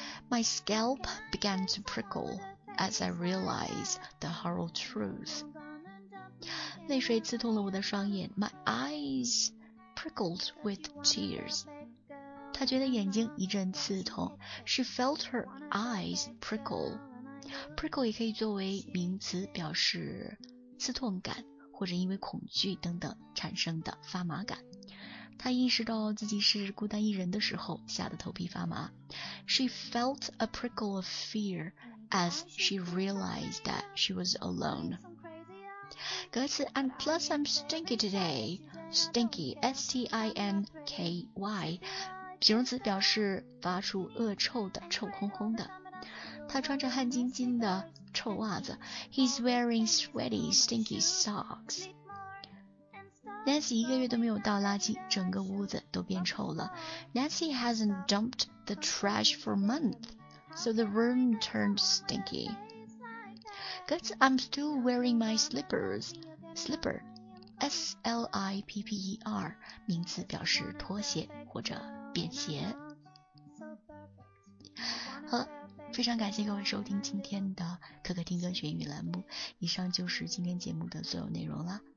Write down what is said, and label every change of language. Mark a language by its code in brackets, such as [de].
[en] My scalp began to prickle as I realized the horrible truth。 [zh] 泪水刺痛了我的双眼 [en] My eyes prickled with tears。 [zh] 她觉得眼睛一阵刺痛 [en] She felt her eyes prickle。 [zh] Prickle 也可以作为名词表示刺痛感或者因为恐惧等等产生的发麻感。她意识到自己是孤单一人的时候吓得头皮发麻。 [en] She felt a prickle of fear as she realized that she was alone。 [zh] 歌词 [en] And plus I'm stinky today [zh] Stinky S-T-I-N-K-Y 形容词表示发出恶臭的臭烘烘的。他穿着汗津津的臭袜子 [en] He's wearing sweaty stinky socks。 [zh] Nancy 一个月都没有倒垃圾，整个屋子都变臭了。 [en] Nancy hasn't dumped the trash for a month So the room turned stinky。 But I'm still wearing my slippers. [zh] Slipper, S-L-I-P-P-E-R, 名词表示拖鞋或者便鞋。好了，非常感谢各位收听今天的可可听歌学英语栏目。以上就是今天节目的所有内容啦。